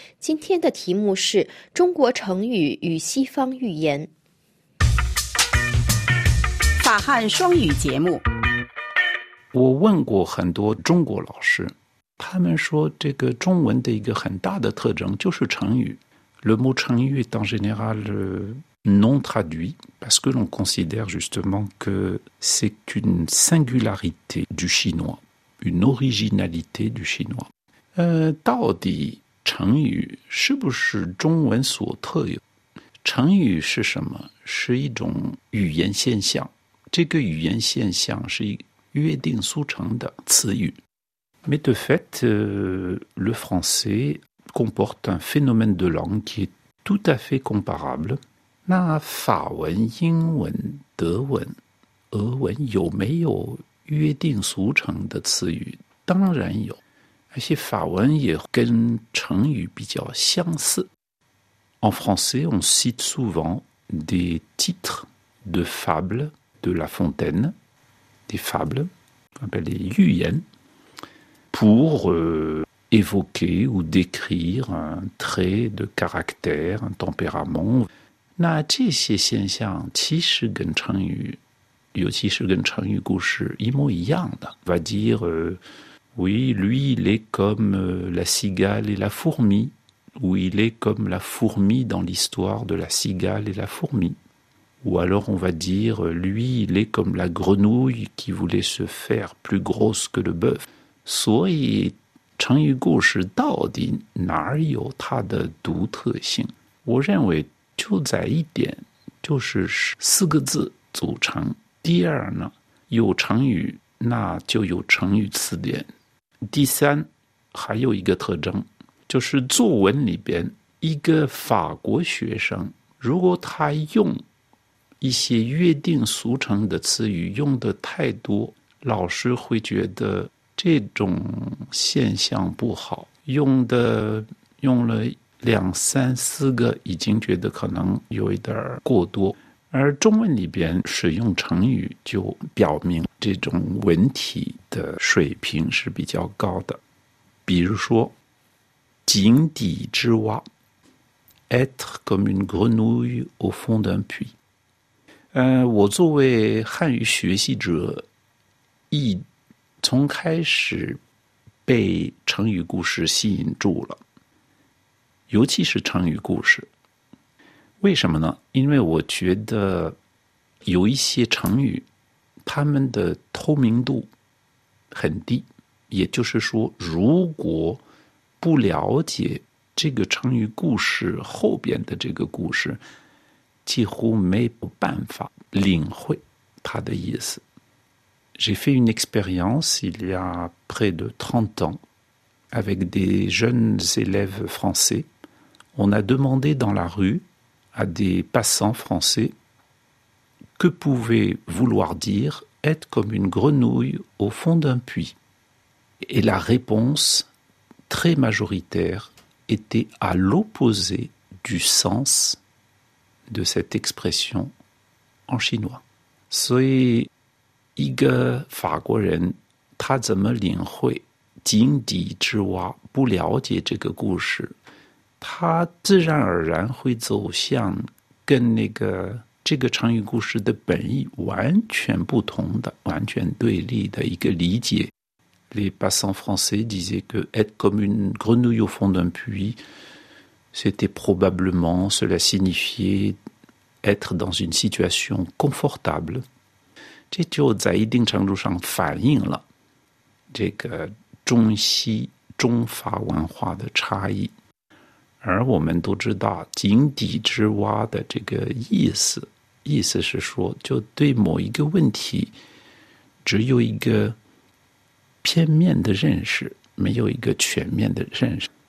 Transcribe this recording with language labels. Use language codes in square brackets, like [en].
[zh] 今天的题目是中国成语与西方寓言。法汉双语节目。我问过很多中国老师，他们说这个中文的一个很大的特征就是成语。 [fr] Le mot成语est en général non traduit. Parce que l'on considère justement que c'est une singularité du chinois, une originalité du chinois. [zh] 到底成语是不是中文所特有？成语是什么？是一种语言现象。这个语言现象是约定俗成的词语。 [fr] Mais de fait, le français comporte un phénomène de langue qui est tout à fait comparable. [zh] 那法文、英文、德文、俄文有没有约定俗成的词语？当然有，而且法文也跟成语比较相似。 [fr] En français, on cite souvent des titres de fables de La Fontaine, des fables, on appelle des 寓言 pour évoquer ou décrire un trait de caractère, un tempérament. [zh] 那这些现象其实跟成语，尤其是跟成语故事一模一样的。 [fr] Va dire, oui, lui, il est comme la cigale et la fourmi, ou il est comme la fourmi dans l'histoire de la cigale et la fourmi. Ou alors on va dire, lui, il est comme la grenouille qui voulait se faire plus grosse que le bœuf. [zh] 所以成语故事到底哪有它的独特性？我认为就在一点，就是四个字组成。第二呢，有成语，那就有成语词典。第三，还有一个特征，就是作文里边，一个法国学生，如果他用一些约定俗成的词语用的太多，老师会觉得这种现象不好，用了两三四个已经觉得可能有一点过多，而中文里边使用成语就表明这种文体的水平是比较高的。比如说井底之蛙 [fr] être comme une grenouille au fond d'un puits。 [zh] 我作为汉语学习者，一从开始被成语故事吸引住了，尤其是成语故事。为什么呢？因为我觉得有一些成语，他们的透明度很低，也就是说，如果不了解这个成语故事后边的这个故事，几乎没有办法领会它的意思。 [fr] J'ai fait une expérience il y a près de 30 ans avec des jeunes élèves français. On a demandé dans la rue à des passants français que pouvait vouloir dire être comme une grenouille au fond d'un puits. Et la réponse très majoritaire était à l'opposé du sens de cette expression en chinois. [zh] 所以一个法国人他怎么领会井底之蛙，不了解这个故事，他自然而然会走向跟那个这个成语故事的本意完全不同的、完全对立的一个理解。 [fr] Les passants français disaient que être comme une grenouille au fond d'un puits, c'était probablement, cela signifiait être dans une situation confortable. [zh] 这就在一定程度上反映了这个中西中法文化的差异。而我们都知道井底之蛙的这个意思是说就对某一个问题只有一个片面的认识，没有一个全面的认识。